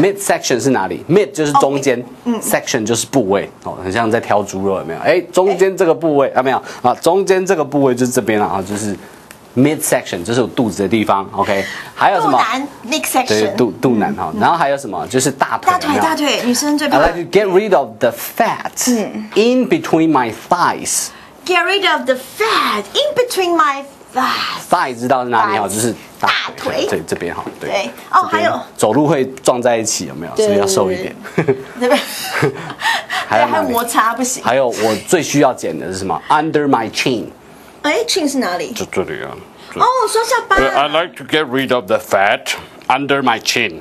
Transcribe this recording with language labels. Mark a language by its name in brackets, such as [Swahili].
[Chinese] Midsection 是哪里 ？Mid 就是中间、okay. ，section 就是部位、哦、很像在挑猪肉，有没有？哎，中间这个部位、欸、啊，没有啊，中间这个部位就是这边了啊，就是 midsection， 就是我肚子的地方。 OK， 还有什么？肚腩 midsection，对，肚腩、哦嗯、然后还有什么？就是大腿，大腿，有有大腿，女生最怕。 [English] I like to get rid of the fat、嗯、in between my thighs. Get rid of the fat in between my [Chinese] thigh 知道是哪里好，就是大腿，对，这边好，对，哦，还有走路会撞在一起，有没有？所以要瘦一点，对不对？还有摩擦不行。还有我最需要减的是什么 ？ [English] Under my chin， [Chinese] 哎 ，chin 是哪里？就这里啊。哦，双下巴。 [English] I like to get rid of the fat under my chin.